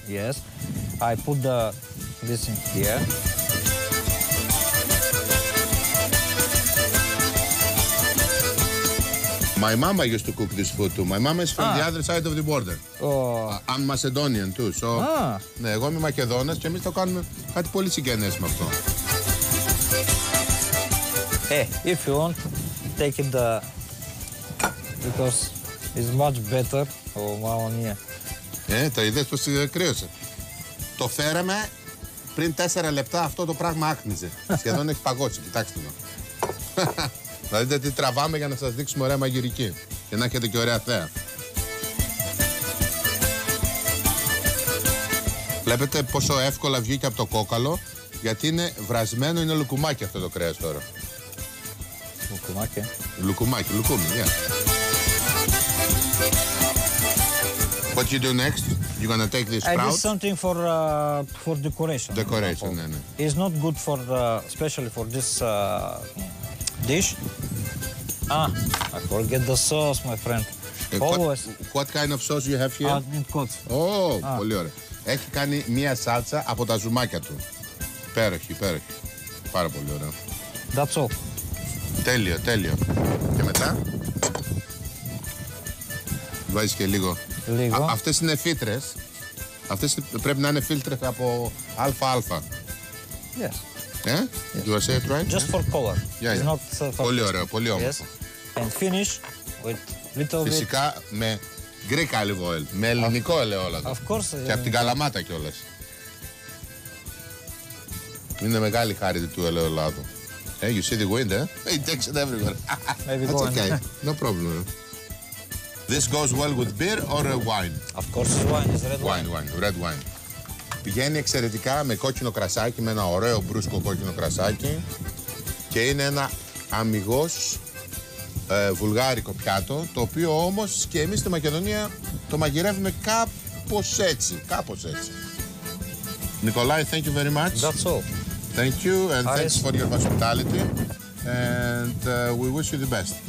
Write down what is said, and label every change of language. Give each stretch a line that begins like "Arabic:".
English: Yes, I put the, this in here. My mama used to cook this food too. My mama is from the other side of the border. Oh. I'm Macedonian too, so... Ah.
Greek: Ναι, εγώ είμαι Μακεδόνας και εμείς το κάνουμε κάτι πολύ συγγενές με αυτό.
English: Hey, if you want, take it the... Because it's much better. Oh, mama mia.
Greek: Ε, τα είδες πως κρύωσε. Το φέραμε πριν 4 λεπτά, αυτό το πράγμα άκνιζε. Σχεδόν έχει παγώσει, κοιτάξτε το. Να δείτε τι τραβάμε για να σας δείξουμε ωραία μαγειρική και να έχετε και ωραία θέα. Βλέπετε πόσο εύκολα βγήκε από το κόκαλο, γιατί είναι βρασμένο, είναι λουκουμάκι αυτό το κρέας τώρα. Λουκουμάκι, λουκουμάκι, λουκούμι, yeah.
English: What you do next? You're gonna take this sprout? I need something for for decoration.
Greek: Decoration, ναι, ναι.
English: It's not good for especially for this dish. Ah, I forget the sauce, my friend. Always. What kind of sauce you have here?
Greek: Oh, πολύ ωραία. Έχει κάνει μία σάλτσα από τα ζουμάκια του. Υπέροχη, υπέροχη. Πάρα πολύ ωραία.
English: That's all.
Greek: Τέλειο, τέλειο. Και μετά... Βάζεις και λίγο. Λίγο. Αυτές είναι φίλτρες. Αυτές πρέπει να είναι φίλτρες από αλφα-αλφα.
English: Yes. Yeah? Yes. Do I say it right? Just for color. Yeah, it's yeah. Not for
Greek: πολύ ωραίο, πολύ όμορφο.
English: Yes. And finish with little bit...
Greek: Φυσικά με
English: Greek olive oil,
Greek: με ελληνικό ελαιόλαδο.
English: Of course.
Greek: Και από την Καλαμάτα κιόλας. Είναι μεγάλη χάρη του ελαιόλαδου.
English: Hey, you see the wind, eh? It takes it everywhere. Maybe that's okay. No problem. This goes well with beer or wine? Of course, wine is red wine. Wine, red wine.
Greek: Πηγαίνει εξαιρετικά με κόκκινο κρασάκι, με ένα ωραίο μπρούσκο κόκκινο κρασάκι και είναι ένα αμυγός βουλγάρικο πιάτο, το οποίο όμως και εμείς στη Μακεδονία το μαγειρεύουμε κάπως έτσι, κάπως έτσι.
English: Νικολάη, thank you very much. That's all. Thank you and thanks for your hospitality and we wish you the best.